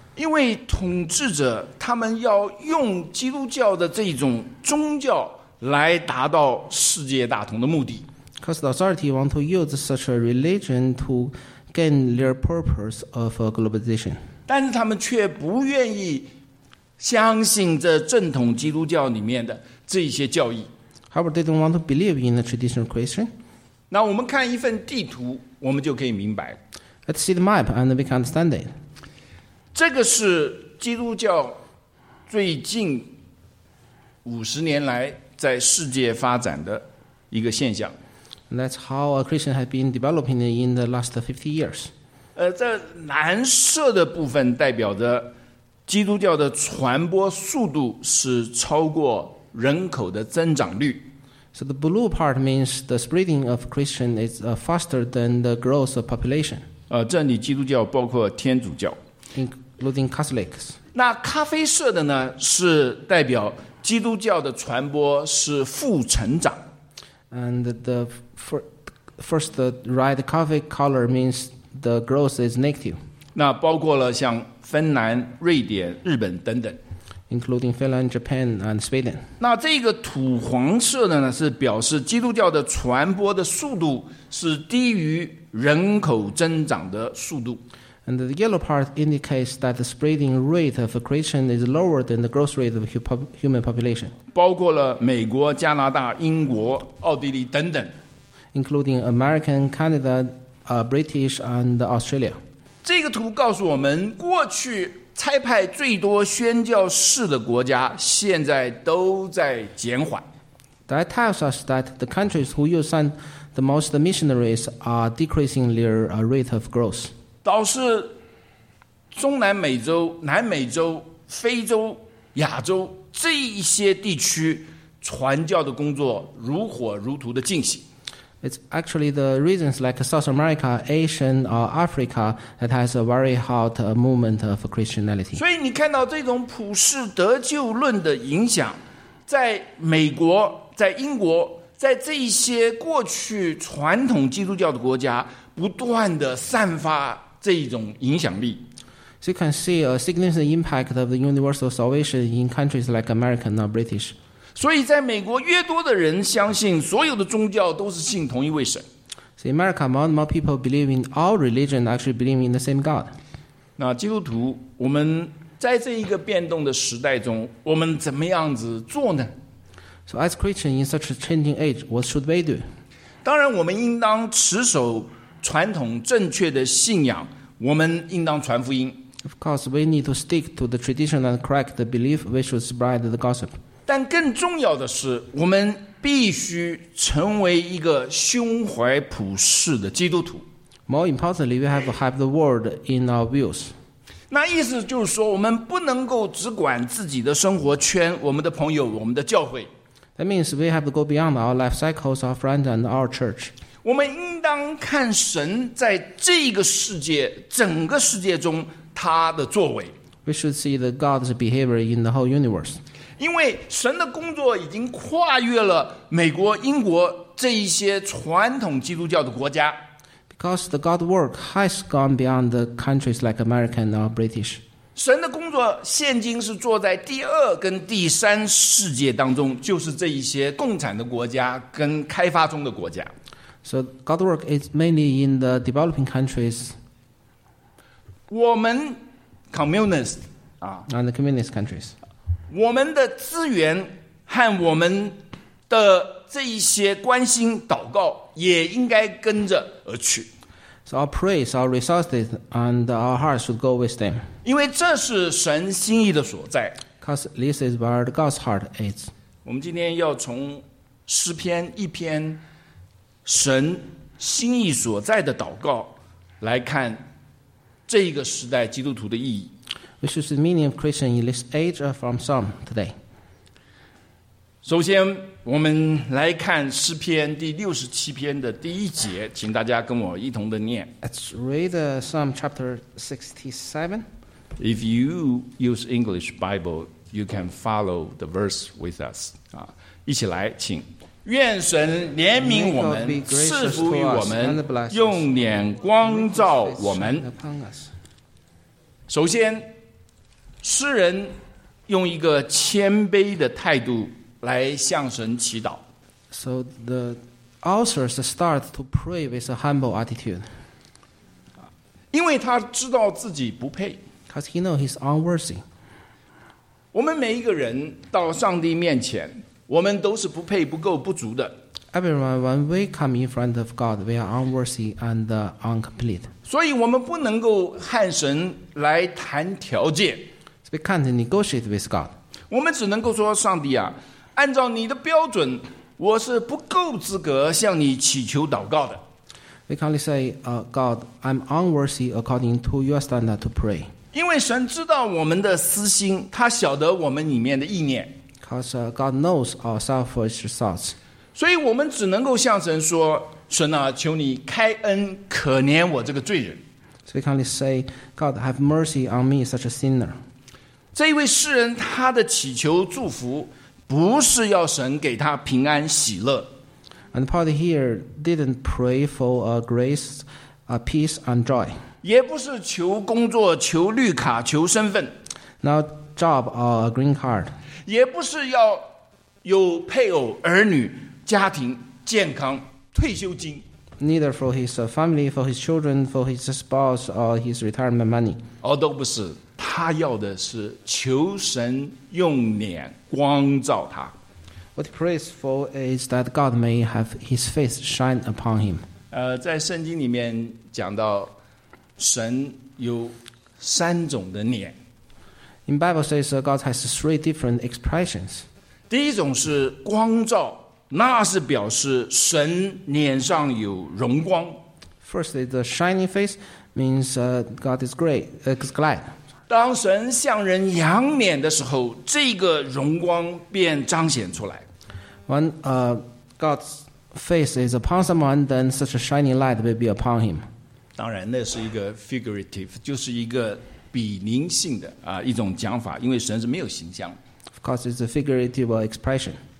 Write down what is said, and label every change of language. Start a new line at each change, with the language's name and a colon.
Chinese: 因为统治者他们要用基督教的这种宗教来达到世界大同的目的。
English: Because the authority want to use such a religion to gain their purpose of globalization.
Chinese: 但是他们却不愿意相信这正统基督教里面的这些教义。
English: However, they don't want to believe in the traditional Christian.
Chinese: 那我们看一份地图，我们就可以明白。
English: Let's see the map and we can understand it.
Chinese: 这个是基督教最近50年来在世界发展的一个现象。
English: That's how a Christian has been developing in the last 50 years.
Chinese: 这蓝色的部分代表着基督教的传播速度是超过人口的增长率。
English: So the blue part means the spreading of Christian is faster than the growth of population.
Chinese: 这里基督教包括天主教。
English: Including Catholics.
Chinese: 那咖啡色的呢，是代表基督教的传播是负成长。
English: And the first red coffee color means the growth is negative.
Chinese: 那包括了像芬兰、瑞典、日本等等。
English: Including Finland, Japan, and Sweden.
Chinese: 那这个土黄色的呢，是表示基督教的传播的速度是低于人口增长的速度。
English: And the yellow part indicates that the spreading rate of Christian is lower than the growth rate of human population.
Chinese: 包括了美国、加拿大、英国、奥地利等等。
English: Including American, Canada, British, and Australia.
Chinese: 这个图告诉我们，过去差派最多宣教士的国家现在都在减缓。
English: That tells us that the countries who use send the most missionaries are decreasing their rate of growth.
Chinese: 倒是中南美洲、南美洲、非洲、亚洲这一些地区传教的工作如火如荼的进行。
English: It's actually the regions like South America, Asia, or Africa that has a very hot movement of Christianity.
Chinese: 所以你看到这种普世得救论的影响，在美国、在英国、在这一些过去传统基督教的国家，不断的散发。这一种影响力。
English: So you can see a significant impact of the universal salvation in countries like America and British.
Chinese: 所以在美国越多的人相信所有的宗教都是信同一位神。
English: So in America, more and more people believe in all religion, actually believe in the same God.
Chinese: 那基督徒，我们在这一个变动的时代中，我们怎么样子做呢？
English: So as Christians in such a changing age, what should we do?
Chinese: 当然我们应当持守传统正确的信仰，我们应当传福音。
English: Of course, we need to stick to the traditional and correct belief. We should spread the gospel.
Chinese: 但更重要的是，我们必须成为一个胸怀普世的基督徒。
English: More importantly, we have to have the world in our views.
Chinese: 那意思就是说，我们不能够只管自己的生活圈、我们的朋友、我们的教会。
English: That means we have to go beyond our life cycles, our friends, and our church.
Chinese: 我们应当看神在这个世界整个世界中他的作为。
English: We should see the God's behavior in the whole universe.
Chinese: 因为神的工作已经跨越了美国、英国这一些传统基督教的国家。
English: Because the God's work has gone beyond the countries like American or British.
Chinese: 神的工作现今是坐在第二跟第三世界当中，就是这一些共产的国家跟开发中的国家。
English: So God's work is mainly in the developing countries.
Chinese: 我们
English: communist, and the communist countries.
Chinese: 我们的资源和我们的这一些关心祷告也应该跟着而去。
English: So our praise, our resources, and our hearts should go with them.
Chinese: 因为这是神心意的所在。
English: Because this is where God's heart is.
Chinese: 我们今天要从诗篇一篇神心意所在的祷告来看这一个时代基督徒的意义。
English: Which is the meaning of Christian in this age from Psalm today?
Chinese: 首先，我们来看诗篇第六十七篇的第一节，请大家跟我一同的念。
English: Let's read Psalm chapter 67. If you use English Bible, you can follow the verse with us.
Chinese: 一起来，请。愿神怜悯我们，赐福于我们，用脸光照我们。首先，诗人用一个谦卑的态度来向神祈祷。
English: So the authors start to pray with a humble attitude.
Chinese: 因为他知道自己不配。
English: Because he knows he's unworthy.
Chinese: 我们每一个人到上帝面前，我们都是不配、不够、不足的。
English: Everyone, when we come in front of God, we are unworthy and incomplete.
Chinese: 所以我们不能够和神来谈条件。
English: We can't negotiate with God.
Chinese: 我们只能够说，上帝啊，按照你的标准，我是不够资格向你祈求祷告的。
English: We can only say, God, I'm unworthy according to your standard to pray.
Chinese: 因为神知道我们的私心，他晓得我们里面的意念。
English: Because God knows our selfish thoughts.
Chinese: 所以我们只能够向神说，神啊，求你开恩，可怜我这个罪人。
English: So we can only say, God, have mercy on me, such a sinner.
Chinese: 这一位诗人他的祈求祝福不是要神给他平安喜乐。
English: And Paul here didn't pray for a grace, a peace and joy.
Chinese: 也不是求工作、求绿卡、求身份。
English: No job or a green card.
Chinese: 也不是要有配偶、儿女、家庭、健康、退休金。
English: Neither for his family, for his children, for his spouse or his retirement money.
Chinese: 哦，都不是。他要的是求神用脸光照他。
English: What he prays for is that God may have his face shine upon him.
Chinese: 在圣经里面讲到神有三种的脸。
English: In Bible says God has three different expressions.
Chinese: 第一种是光照，那是表示神脸上有荣光。
English: Firstly, the shining face means God is great, glad.
Chinese: 当神向人扬脸的时候，这个荣光便彰显出来。
English: When God's face is upon someone, then such a shining light will be upon him.
Chinese: 当然，那是一个 figurative， 就是一个比拟性的一种讲法，因为神是没有形象。
English: Of course, it's a figurative expression.